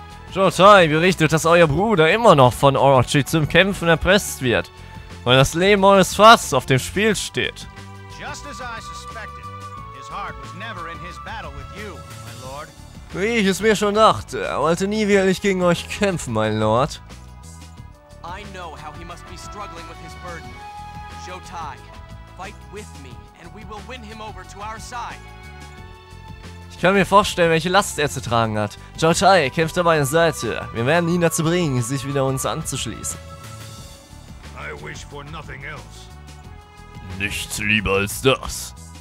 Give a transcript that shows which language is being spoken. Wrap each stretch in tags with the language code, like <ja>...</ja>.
<de>Zhou Tai berichtet, dass euer Bruder immer noch von Orochi zum Kämpfen erpresst wird, weil das Leben eures Vaters auf dem Spiel steht.</de> <en>Just as I suspected, his heart was never in his battle with you, my lord.</en> <de>Wie ich es mir schon dachte, er wollte nie wirklich gegen euch kämpfen, mein Lord.</de> <en>I know how he must be struggling with his burden. Zhou Tai, fight with me and we will win him over to our side.</en> <de>Ich kann mir vorstellen, welche Last er zu tragen hat. Zhou Tai, kämpft an meiner Seite. Wir werden ihn dazu bringen, sich wieder uns anzuschließen.</de> <en>I wish for nothing else.</en> <de>Nichts lieber als das.</de>